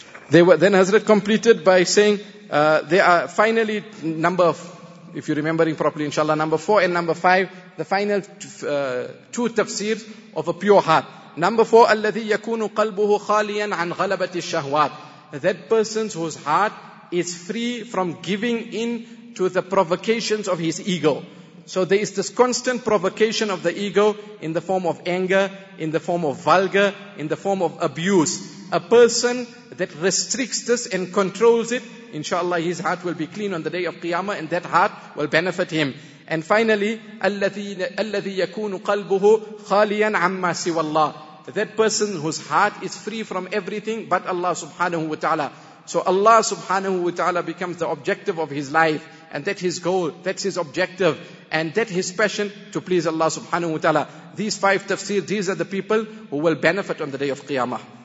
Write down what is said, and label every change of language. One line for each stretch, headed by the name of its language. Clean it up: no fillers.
English: Then Hazrat completed by saying, there are finally number, if you're remembering properly, inshallah, number 4 and number 5, the final two tafsirs of a pure heart. Number 4,
Arabic: الَّذِي يَكُونُ قَلْبُهُ خَالِيًا عَنْ غَلَبَةِ الشَّهْوَاتِ.
English: That person whose heart is free from giving in to the provocations of his ego. So there is this constant provocation of the ego in the form of anger, in the form of vulgar, in the form of abuse. A person that restricts this and controls it, inshallah, his heart will be clean on the day of Qiyamah and that heart will benefit him. And finally,
Arabic: الَّذِي يَكُونُ قَلْبُهُ خَالِيًا عَمَّا سِوَى اللَّهِ.
English: That person whose heart is free from everything but Allah subhanahu wa ta'ala. So Allah subhanahu wa ta'ala becomes the objective of his life, and that his goal, that's his objective, and that his passion to please Allah subhanahu wa ta'ala. These 5 tafsir, these are the people who will benefit on the day of Qiyamah.